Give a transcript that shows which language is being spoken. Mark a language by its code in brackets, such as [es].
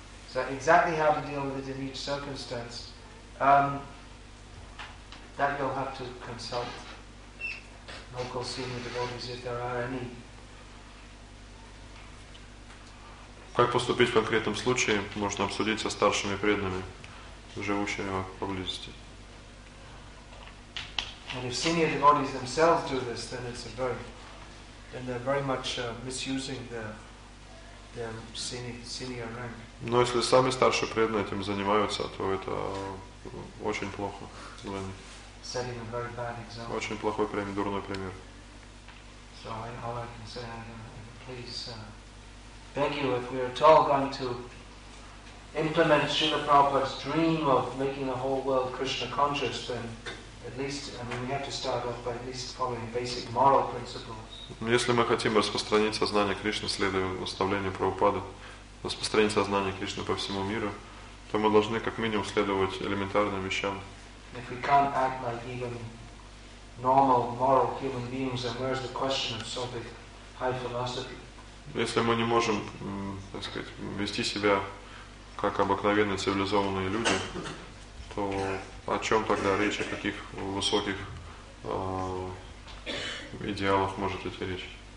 [en] So exactly how to deal with it in each circumstance, that you'll have to consult local senior devotees if there are any. [ru] Как поступить в конкретном случае, можно обсудить со старшими преданными, живущими поблизости. [en] And if senior devotees themselves do this, then it's a very, then they're very much misusing their senior rank. [ru] Но если сами старшие преданные этим занимаются, то это очень плохо для них. [en] Setting a very bad example. [ru] Очень плохой пример, дурной пример. [en] So all I can say, please beg you, if we are at all going to implement Srila Prabhupada's dream of making the whole world Krishna conscious, then at least, I mean, we have to start off by at least following basic moral principles. [ru] Если мы хотим распространить сознание Кришны, следуя наставлению Прабхупады, распространить сознание Кришны по всему миру, то мы должны как минимум следовать элементарным вещам. [en] If we can't act like even normal moral human beings, then where's the question of so big high philosophy? [ru] Если мы не можем, так сказать, вести себя как обыкновенные цивилизованные люди, то о чем тогда речь, о каких высоких идеалах может идти речь?